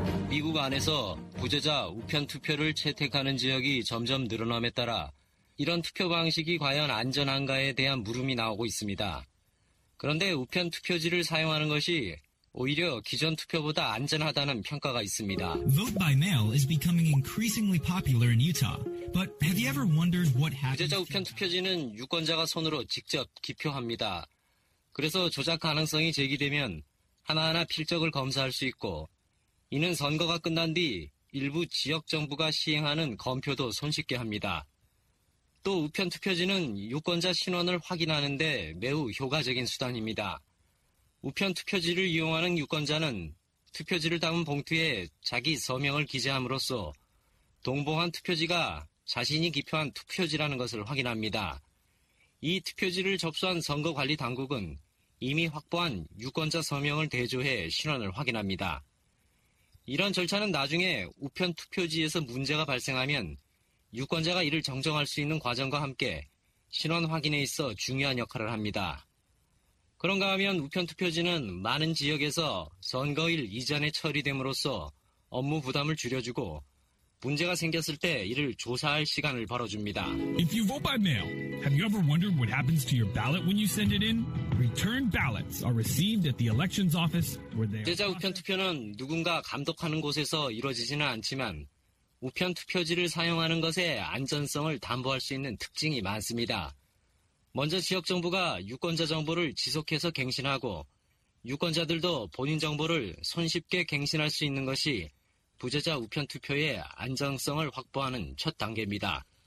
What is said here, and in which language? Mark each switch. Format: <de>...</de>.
<ko>미국 안에서 부재자 우편 투표를 채택하는 지역이 점점 늘어남에 따라 이런 투표 방식이 과연 안전한가에 대한 물음이 나오고 있습니다. 그런데 우편 투표지를 사용하는 것이 오히려 기존 투표보다 안전하다는 평가가 있습니다.</ko> <en>Vote by mail is becoming increasingly popular in Utah. But have you ever wondered what happens?</en> <ko>부재자 우편 투표지는 유권자가 손으로 직접 기표합니다. 그래서 조작 가능성이 제기되면 하나하나 필적을 검사할 수 있고 이는 선거가 끝난 뒤 일부 지역 정부가 시행하는 검표도 손쉽게 합니다. 또 우편 투표지는 유권자 신원을 확인하는 데 매우 효과적인 수단입니다. 우편 투표지를 이용하는 유권자는 투표지를 담은 봉투에 자기 서명을 기재함으로써 동봉한 투표지가 자신이 기표한 투표지라는 것을 확인합니다. 이 투표지를 접수한 선거관리 당국은 이미 확보한 유권자 서명을 대조해 신원을 확인합니다. 이런 절차는 나중에 우편 투표지에서 문제가 발생하면 유권자가 이를 정정할 수 있는 과정과 함께 신원 확인에 있어 중요한 역할을 합니다. 그런가 하면 우편 투표지는 많은 지역에서 선거일 이전에 처리됨으로써 업무 부담을 줄여주고 문제가 생겼을 때 이를 조사할 시간을 벌어줍니다.</ko> <en>If you vote by mail, have you ever wondered what happens to your ballot when you send it in? Return ballots are received at the elections office where they are.</en> <ko>부재자 우편 투표는 누군가 감독하는 곳에서 이루어지지는 않지만 우편 투표지를 사용하는 것에 안전성을 담보할 수 있는 특징이 많습니다. 먼저 지역 정부가 유권자 정보를 지속해서 갱신하고 유권자들도 본인 정보를 손쉽게 갱신할 수 있는 것이 부재자 우편 투표의 안전성을 확보하는 첫 단계입니다.</ko>